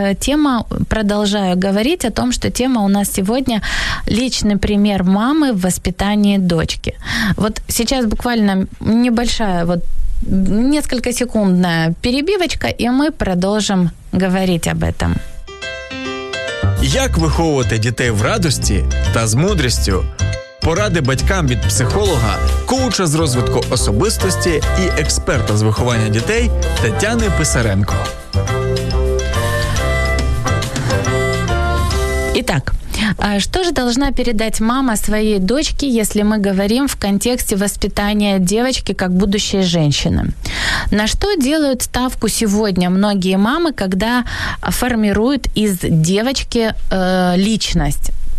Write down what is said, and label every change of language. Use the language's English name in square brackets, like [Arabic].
[Russian] Тема, продолжаю говорить о том, что тема у нас сегодня — личный пример мамы в воспитании дочки. Вот сейчас буквально небольшая, вот несколькосекундная перебивочка, и мы продолжим говорить об этом. [Ukrainian] Як виховувати дітей в радості та з мудрістю? Поради батькам від психолога, коуча з розвитку особистості і експерта з виховання дітей Тетяни Писаренко. І так. [Russian] Что же должна передать мама своей дочке, если мы говорим в контексте воспитания девочки как будущей женщины? На что делают ставку сегодня многие мамы, когда формируют из девочки личность?